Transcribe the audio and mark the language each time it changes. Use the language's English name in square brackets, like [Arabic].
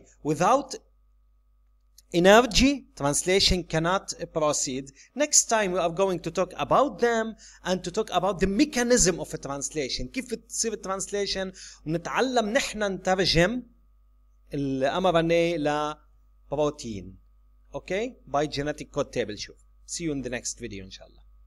[English] Without energy, translation cannot proceed. Next time we are going to talk about them and to talk about the mechanism of a translation. [Arabic] كيف تصير translation ونتعلم نحن نترجم الـ mRNA لـ protein. [English] okay, by genetic code table. See you in the next video, inshallah.